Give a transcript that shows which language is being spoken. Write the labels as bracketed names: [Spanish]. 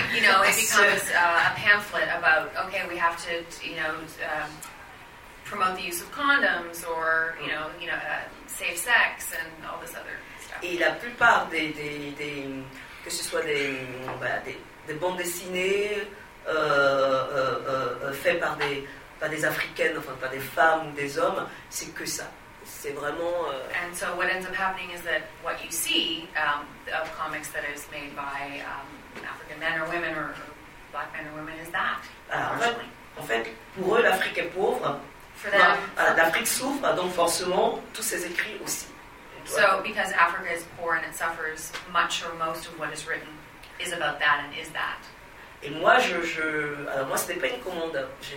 [English] You know, it becomes a pamphlet about, okay, we have to, you know, promote the use of condoms or, you know, safe sex and all this other stuff. [French] Et la plupart des que ce soit des bandes dessinées fait par des africaines, enfin par des femmes ou des hommes, c'est que ça. C'est vraiment. [English] And so what ends up happening is that what you see of comics that is made by African men or women or black men or women is that. [French] En fait, pour eux, l'Afrique est pauvre. [English] For them. [French] L'Afrique souffre, donc forcément, tous ces écrits aussi. [English] So because Africa is poor and it suffers, much or most of what is written is about that and is that. [French] Et moi, alors moi, c'était pas une commande.